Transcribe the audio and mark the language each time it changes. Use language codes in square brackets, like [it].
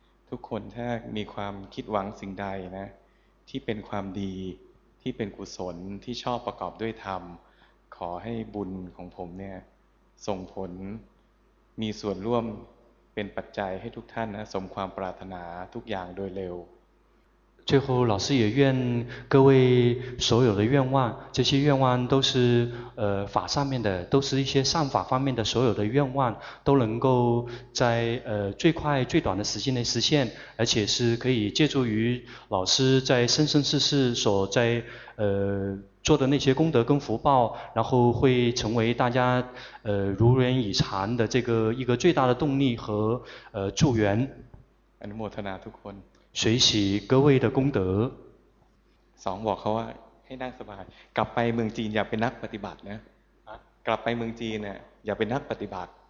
[th] ทุกคนถ้ามีความคิดหวังสิ่งใดนะที่เป็นความดีที่เป็นกุศลที่ชอบประกอบด้วยธรรมขอให้บุญของผมเนี่ยส่งผลมีส่วนร่วมเป็นปัจจัยให้ทุกท่านนะสมความปรารถนาทุกอย่างโดยเร็ว [zh] 最后老师也愿各位所有的愿望这些愿望都是法上面的都是一些善法方面的所有的愿望都能够在最快最短的时间内实现而且是可以借助于老师在生生世世所在做的那些功德跟福报然后会成为大家如愿以偿的这个一个最大的动力和助缘 [th] อนุโมทนาทุกคน [zh] 随喜各位的功德 [th] สองบอกเขาว่าให้นั่งสบายกลับไปเมืองจีนอย่าเป็นนักปฏิบัตินะกลับไปเมืองจีนเนี่ยอย่าเป็นนักปฏิบัติ